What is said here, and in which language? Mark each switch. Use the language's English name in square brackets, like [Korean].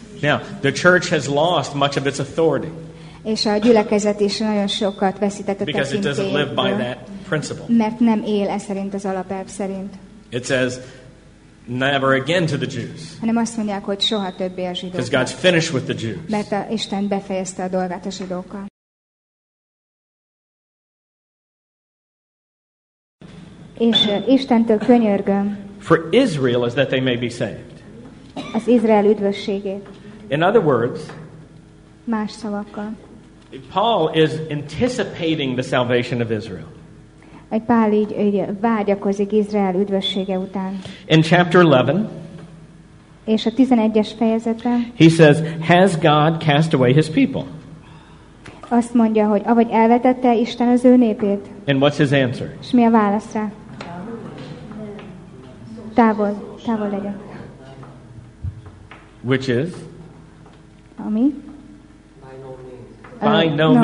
[English] Now, the church has lost much of its authority. [Hungarian] És a gyülekezet is nagyon sokat veszített a tekintélyből. [English] Because it doesn't live by that principle. [Hungarian] Mert nem él e szerint az alapelv szerint. [English] It says, never again to the Jews. [Hungarian] Hanem azt mondják, hogy soha többé a zsidóknak. [English] Because God's finished with the Jews. [Hungarian] Mert a Isten befejezte a dolgát a zsidókkal. És Istentől könyörgöm. [English] For Israel is that they may be saved. [Hungarian] Az Izrael üdvösségét. [English] In other words, [Hungarian] más szavakkal. [English] Paul is anticipating the salvation of Israel. [Hungarian] Egy Pál így vágyakozik Izrael üdvössége után. [English] In chapter 11. [Hungarian] És a 11-es fejezetben. [English] He says, "Has God cast away his people?" [Hungarian] Azt mondja, hogy avagy elvetette Isten az ő népét. [English] And what's his answer? [Hungarian] És mi a válasz rá? Távol, távol legyen. [English] Which is? [Hungarian] Ami? [English] By no means.